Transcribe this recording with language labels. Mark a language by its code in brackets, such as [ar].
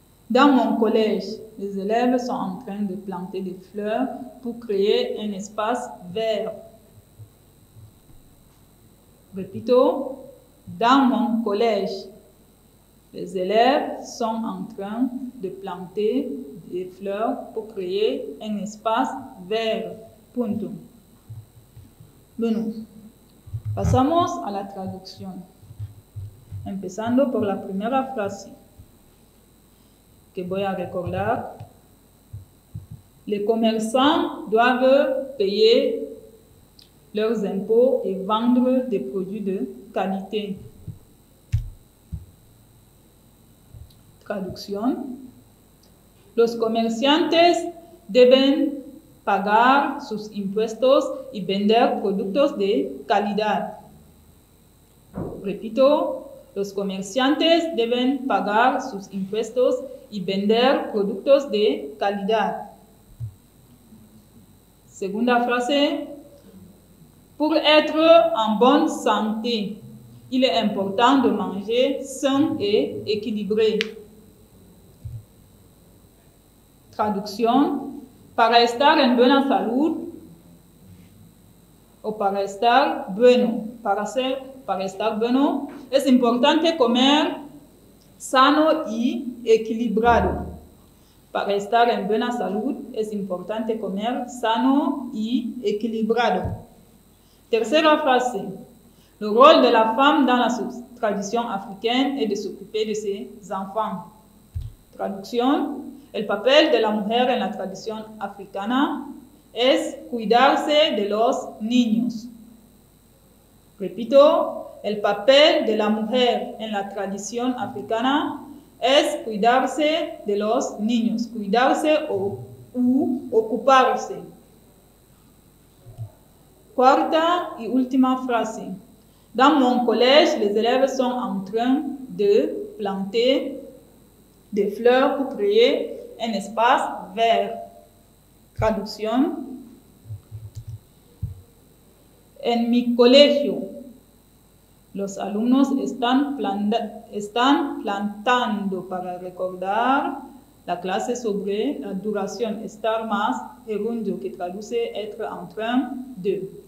[fr] Dans mon collège, les élèves sont en train de planter des fleurs pour créer un espace vert. [es] Repito, [fr] dans mon collège, les élèves sont en train de planter des fleurs pour créer un espace vert. [es] Punto. Bueno, pasamos a la traducción. Empezando por la primera frase. Que voy a recordar. [fr] Les commerçants doivent payer leurs impôts et vendre des produits de qualité. [es] Traducción. Los comerciantes deben pagar sus impuestos y vender productos de calidad. Repito, Los comerciantes deben pagar sus impuestos y vender productos de calidad. Segunda frase. [fr] Pour être en bonne santé, il est important de manger sain et équilibré. Traduction. [es] Para estar en buena salud o para estar bueno, para estar bueno, es importante comer sano y equilibrado. Para estar en buena salud, es importante comer sano y equilibrado. Tercera frase. [fr] Le rôle de la femme dans la tradition africaine est de s'occuper de ses enfants. Traduction. [es] El papel de la mujer en la tradición africana es cuidarse de los niños. Repito, el papel de la mujer en la tradición africana es cuidarse de los niños, cuidarse o ocuparse. Cuarta y última frase. [fr] Dans mon collège, les élèves sont en train de planter des fleurs pour créer un espace vert. [es] Traducción. En mi colegio, los alumnos están plantando, para recordar la clase sobre la duración, estar más, gerundio, que traduce [fr] être en train de.